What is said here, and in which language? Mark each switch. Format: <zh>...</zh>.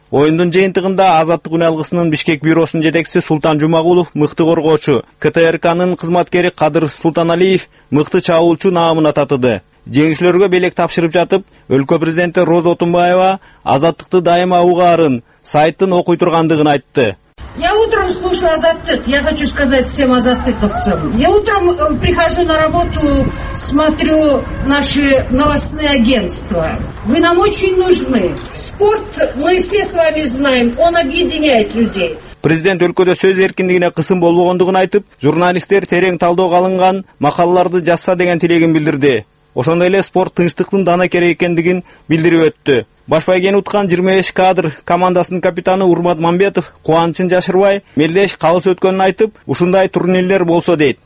<ky>Оюндун жыйынтыгында Азаттык үналгысынын Бишкек бюросунун жетекчиси Султан Жумагулов мыкты коргоочу, КТРКнын кызматкери Кадыр Султаналиев мыкты чабуулчу наамын ататыды. Жеңишлерге белек тапшырып жатып, өлкө президенти Роза Отунбаева азаттыкты дайыма угаарын, сайттын окуй тургандыгын айтты.</ky> <ru>Я утром слушаю Азаттык. Я хочу сказать всем азаттыковцам. Я утром прихожу на работу, смотрю наши новостные агентства. Вы нам очень нужны. Спорт, мы все с вами знаем, он объединяет людей.</ru> <ky>Президент өлкөдө сөз эркиндигине кысым болбогондугун айтып, журналисттер терең талдоого алынган макалаларды жазса деген тилегин билдирди. Ошондой эле спорт тынчтыктын данакери экендигин билдирип өттү. Баш байгени уткан 25 кадр командасынын капитаны Урмат Мамбетов кубанычын жашырбай, мелдеш калыс өткөнүн айтып, ушундай турнирлер болсо дейт.</ky>